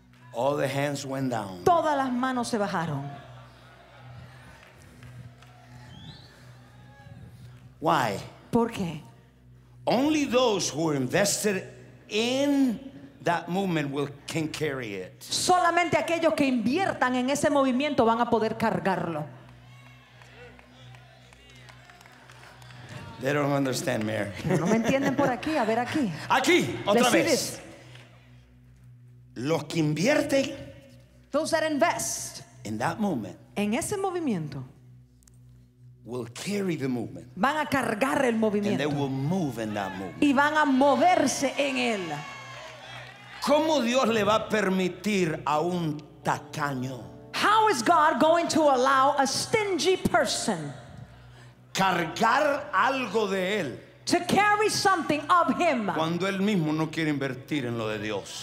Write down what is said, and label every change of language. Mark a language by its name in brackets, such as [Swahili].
[English] All the hands went down. [Spanish] Todas las manos se bajaron. [English] Why? [Spanish] ¿Por qué? [English] Only those who are invested in that movement can carry it. [Spanish] Solamente aquellos que inviertan en ese movimiento van a poder cargarlo. [English] They don't understand, Mayor. [Spanish] No me entienden por aquí, a ver aquí. Aquí, otra vez. Los que invierten, [English] those that invest in that movement, [Spanish] en ese movimiento, [English] will carry the movement. [Spanish] Van a cargar el movimiento. [English] And they will move in that movement. [Spanish] Y van a moverse en él. ¿Cómo Dios le va a permitir a un tacaño? [English] How is God going to allow a stingy person [Spanish] cargar algo de él? [English] To carry something of him. [Spanish] Cuando él mismo no quiere invertir en lo de Dios.